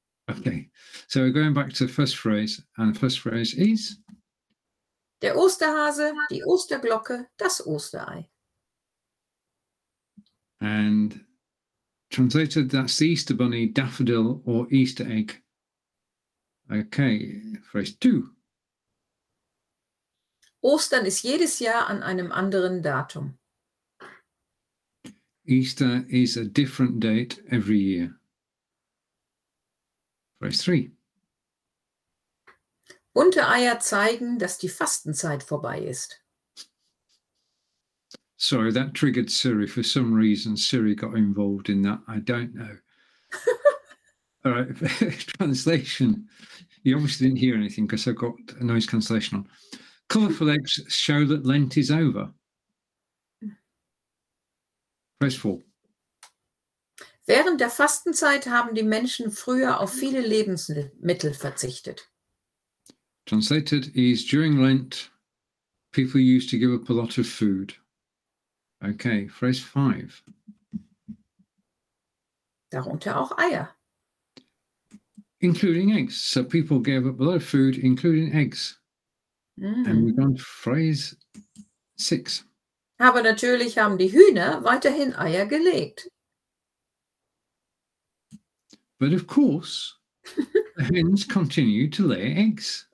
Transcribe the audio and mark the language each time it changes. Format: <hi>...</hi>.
<en>Okay, so we're going back to the first phrase, and the first phrase is...</en> <de>Der Osterhase, die Osterglocke, das Osterei.</de> <en>And translated, that's the Easter bunny, daffodil, or Easter egg. Okay, phrase 2.</en> <de>Ostern ist jedes Jahr an einem anderen Datum.</de> <en>Easter is a different date every year. Phrase 3.</en> <de>Bunte Eier zeigen, dass die Fastenzeit vorbei ist.</de> <en>Sorry, that triggered Siri. For some reason, Siri got involved in that. I don't know. All right, translation. You obviously didn't hear anything because I've got a noise cancellation on. Colourful eggs show that Lent is over. Phrase 4.</en> <de>Während der Fastenzeit haben die Menschen früher auf viele Lebensmittel verzichtet.</de> <en>Translated is during Lent, people used to give up a lot of food. Okay, phrase 5.</en> <de>Darunter auch Eier.</de> <en>Including eggs. So people gave up a lot of food, including eggs. Mm. And we've got phrase 6.</en> <de>Aber natürlich haben die Hühner weiterhin Eier gelegt.</de> <en>But of course, the hens continue to lay eggs.</en>